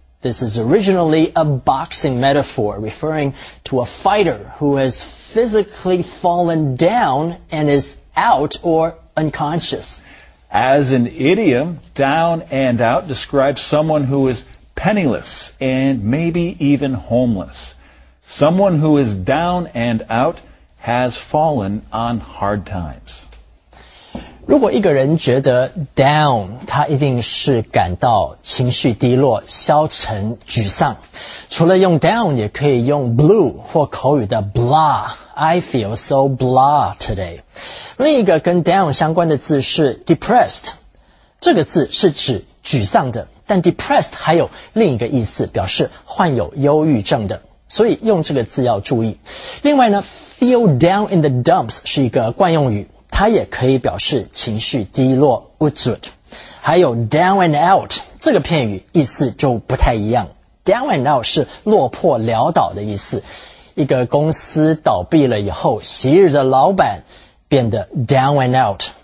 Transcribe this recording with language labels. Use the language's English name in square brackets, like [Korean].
[English] This is originally a boxing metaphor referring to a fighter who has physically fallen down and is out or unconscious. As an idiom, down and out describes someone who is penniless and maybe even homeless. Someone who is down and out has fallen on hard times. [Chinese] 如果一个人觉得 down, 他一定是感到情绪低落、消沉、沮丧。除了用 down, 也可以用 blue 或口语的 blah, [English] I feel so blah today. [Chinese] 另一个跟 down 相关的字是 depressed, 这个字是指沮丧的，但 depressed 还有另一个意思，表示患有忧郁症的。所以用这个字要注意。另外呢 ,feel down in the dumps 是一个惯用语。它也可以表示情绪低落 ,uzut。还有 down and out, 这个片语意思就不太一样。 down and out 是落魄潦倒的意思。一个公司倒闭了以后，昔日的老板变得 down and out。